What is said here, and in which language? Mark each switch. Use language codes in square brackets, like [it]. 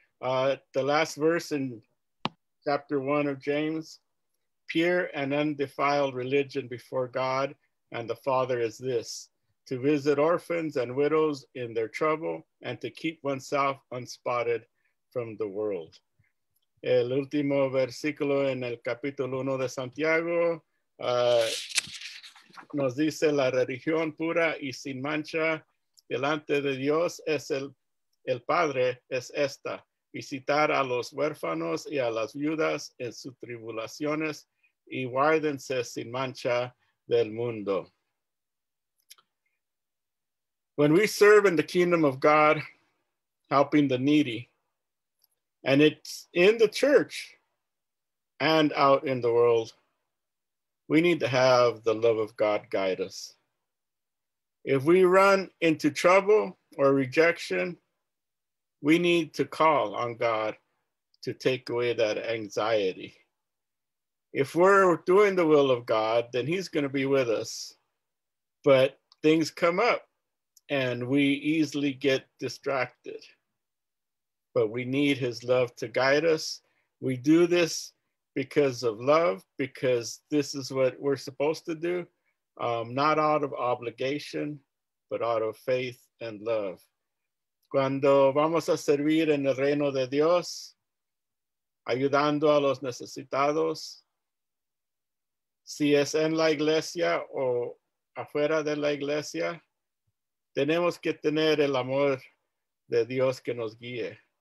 [en] The last verse in Chapter 1 of James, pure and undefiled religion before God and the Father is this, to visit orphans and widows in their trouble and to keep oneself unspotted from the world. [es] El último versículo en el capítulo 1 de Santiago nos dice la religión pura y sin mancha delante de Dios es el Padre es esta. Visitar a los huérfanos y a las viudas en sus tribulaciones y guárdense sin mancha del mundo. [en] When we serve in the kingdom of God, helping the needy, and it's in the church and out in the world, we need to have the love of God guide us. If we run into trouble or rejection, we need to call on God to take away that anxiety. If we're doing the will of God, then he's going to be with us. But things come up and we easily get distracted. But we need his love to guide us. We do this because of love, because this is what we're supposed to do. Not out of obligation, but out of faith and love. [es] Cuando vamos a servir en el reino de Dios, ayudando a los necesitados, si es en la iglesia o afuera de la iglesia, tenemos que tener el amor de Dios que nos guíe.